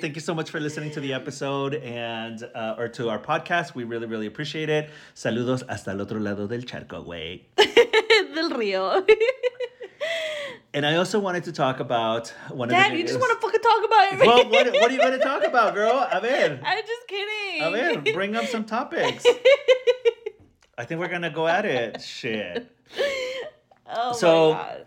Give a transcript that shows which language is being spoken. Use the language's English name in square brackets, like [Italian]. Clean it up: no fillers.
[English] Thank you so much for listening to the episode and or to our podcast. We really, really appreciate it. [Spanish] Saludos hasta el otro lado del charco, güey. Del río. [English] And I also wanted to talk about one of the videos. Dad, you just want to fucking talk about it. Well, what are you going to talk about, girl? [Spanish] A ver. [English] I'm just kidding. [Spanish] A ver, [English] bring up some topics. I think we're going to go at it. Shit. Oh my God.